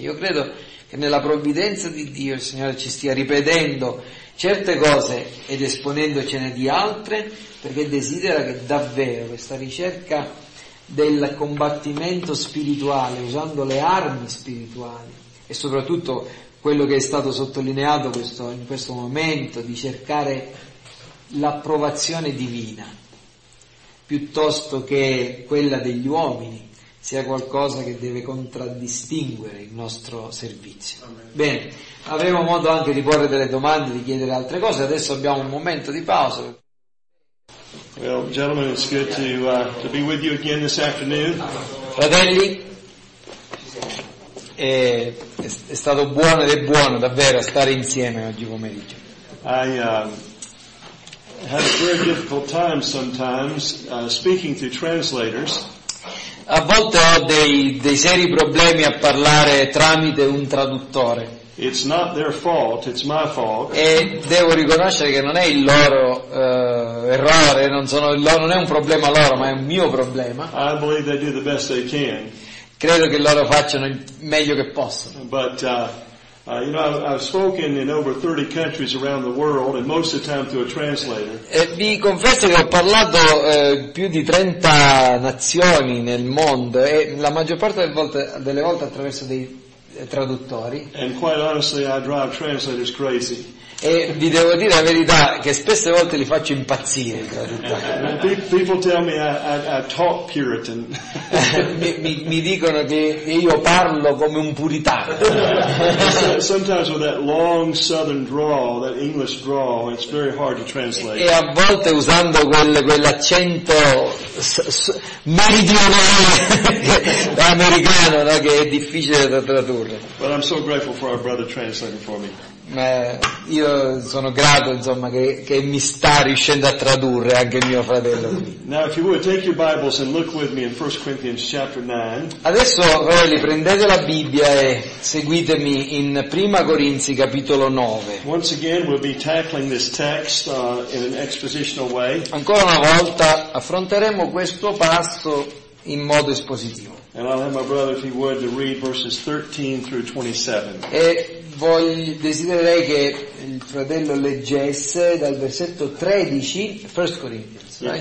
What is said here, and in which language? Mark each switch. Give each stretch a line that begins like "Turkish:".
Italian: Io credo che nella provvidenza di Dio il Signore ci stia ripetendo certe cose ed esponendocene di altre, perché desidera che davvero questa ricerca del combattimento spirituale usando le armi spirituali e soprattutto quello che è stato sottolineato in questo momento di cercare l'approvazione divina piuttosto che quella degli uomini sia qualcosa che deve contraddistinguere il nostro servizio. Bene, avremo modo anche di porre delle domande, di chiedere altre cose. Adesso abbiamo un momento di pausa.
English: Well, gentlemen, it's good to be with you again this afternoon.
Italian: Fratelli, è stato buono ed è buono davvero stare insieme oggi pomeriggio.
English: I have a very difficult time sometimes speaking to translators.
Italian: A volte ho dei seri problemi a parlare tramite un traduttore.
English: It's not their fault, it's my fault.
Italian: E devo riconoscere che non è il loro errore, non è un problema loro, ma è un mio problema.
English: I believe they do the best they can.
Italian: Credo che loro facciano il meglio che possono.
English: I've spoken in over 30 countries around the world, and most of the time through a translator.
Italian: E vi confesso che ho parlato più di 30 nazioni nel mondo, e la maggior parte delle volte attraverso dei traduttori.
English: And quite honestly, I drive translators crazy.
Italian: E vi devo dire la verità, che spesse volte li faccio impazzire i traduttori.
English: People tell me I talk Puritan.
Italian: mi dicono che io parlo come un puritano.
English: Sometimes with that long southern drawl, that English drawl, it's very hard to translate.
Italian: E a volte usando quell'accento meridionale americano, no, che è difficile da tradurre.
English: But I'm so grateful for our brother translating for me.
Italian: Io sono grato, insomma, che mi sta riuscendo a tradurre anche mio fratello.
English: Now, if you would, take your Bibles and look with me in 1 Corinthians chapter 9.
Italian: Adesso, fratelli, prendete la Bibbia e seguitemi in 1 Corinzi capitolo 9.
English: Once again, we'll be tackling this text in an expositional way.
Italian: Ancora una volta affronteremo questo passo in modo espositivo.
English: And I'll have my brother, if he would, to read verses 13 through 27.
Italian: Desidererei che il fratello leggesse dal versetto 13, 1 Corinthians,